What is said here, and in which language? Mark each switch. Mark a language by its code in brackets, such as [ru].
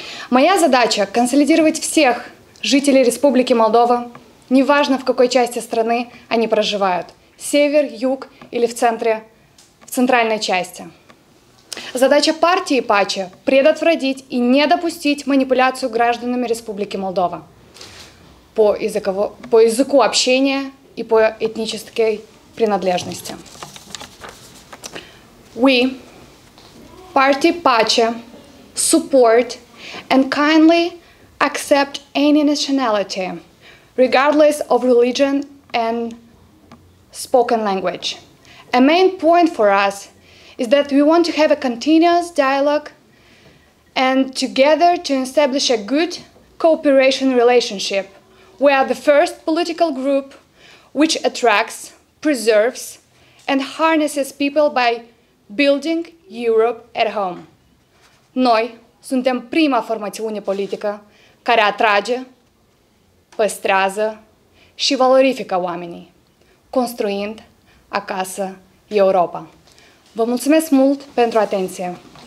[ru] Моя задача – консолидировать всех жителей Республики Молдова, неважно, в какой части страны они проживают – север, юг или в центральной части. Задача партии ПАЧЕ – предотвратить и не допустить манипуляцию гражданами Республики Молдова по языку общения и по этнической принадлежности. [en] We, Party Pache, support and kindly accept any nationality, regardless of religion and spoken language. A main point for us is that we want to have a continuous dialogue and together to establish a good cooperation relationship. We are the first political group which attracts, preserves, and harnesses people by building Europe at home. [ro] Noi suntem prima formațiune politică care atrage, păstrează și valorifică oamenii, construind acasă Europa. Vă mulțumesc mult pentru atenție!